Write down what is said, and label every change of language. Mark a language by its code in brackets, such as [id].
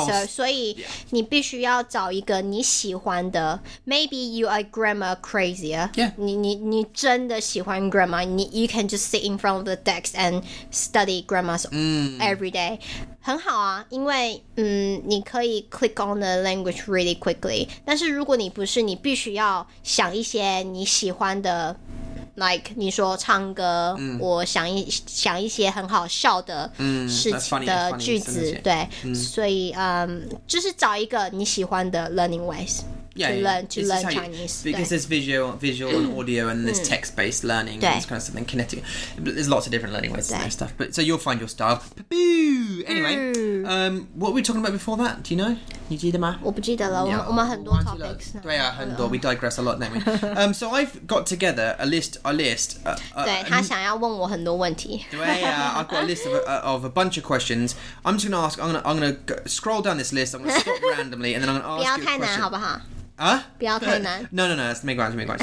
[zh] Oh, so你必须要找一个你喜欢的。 [en] Maybe you are grammar crazier. Yeah. [zh] 你真的喜欢 [en] grammar, you can just sit in front of the desk and study grammars every day. [zh] 很好啊，因为你可以 [en] click on the language really quickly. [zh] 但是如果你不是，你必须要想一些你喜欢的 ，like 你说唱歌，我想一些很好笑的事情的句子， [en] funny, [zh] 对，所以就是找一个你喜欢的 [en] learning ways。 Yeah, to learn Chinese. Because there's visual and audio and there's text-based learning and this kind of stuff and kinetic. There's lots of different learning ways and stuff. But, so you'll find your style. Boo! Anyway, what were we talking about before that? Do you know? [zh] 你记得吗？我不记得了，我们很多 topics. 对啊，很多。 [en] We digress a lot, don't we? So I've got together a list. [zh] 对，他想要问我很多问题。 [en] 对啊，I've got a list of a bunch of questions. I'm just going to ask, I'm going to scroll down this list, I'm going to stop randomly, and then I'm going to ask you a question. [zh] 不要太难，好不好？ [en] Huh? [zh] 不要太难。 [en] No, it's not going to be too difficult.